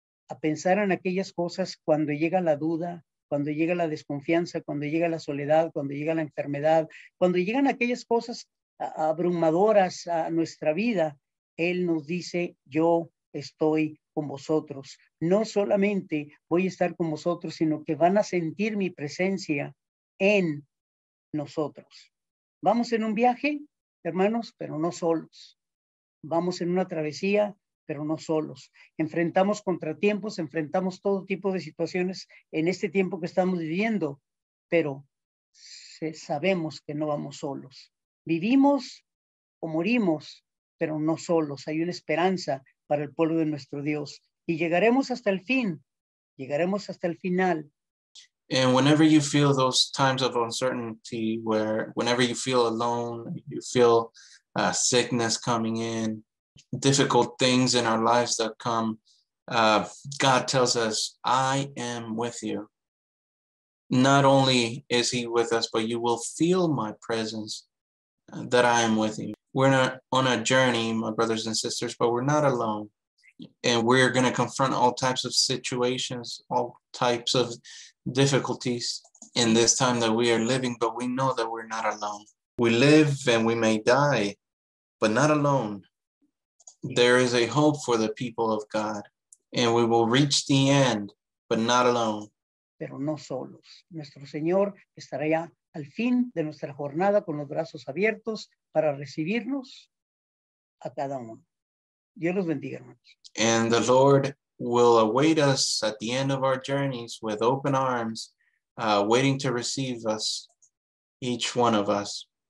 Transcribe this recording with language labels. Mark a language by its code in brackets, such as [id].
[es] A pensar en aquellas cosas cuando llega la duda, cuando llega la desconfianza, cuando llega la soledad, cuando llega la enfermedad, cuando llegan aquellas cosas abrumadoras a nuestra vida, él nos dice, yo estoy con vosotros. No solamente voy a estar con vosotros, sino que van a sentir mi presencia en nosotros. Vamos en un viaje, hermanos, pero no solos. Vamos en una travesía, pero no solos. Enfrentamos contratiempos, enfrentamos todo tipo de situaciones en este tiempo que estamos viviendo, pero sabemos que no vamos solos. Vivimos o morimos, pero no solos. Hay una esperanza para el pueblo de nuestro Dios. Y llegaremos hasta el fin. Llegaremos hasta el final. [en] And whenever you feel those times of uncertainty, whenever you feel alone, you feel sickness coming in, difficult things in our lives that come, God tells us, I am with you. Not only is he with us, but you will feel my presence, that I am with you. We're not on a journey, my brothers and sisters, but we're not alone. And we're going to confront all types of situations, all types of difficulties in this time that we are living, but we know that we're not alone. We live and we may die, but not alone. There is a hope for the people of God, and we will reach the end, but not alone. [es] Pero no solos. Nuestro Señor estará ya al fin de nuestra jornada con los brazos abiertos para recibirnos a cada uno. Dios los bendiga, hermanos. [en] And the Lord will await us at the end of our journeys with open arms, waiting to receive us, each one of us.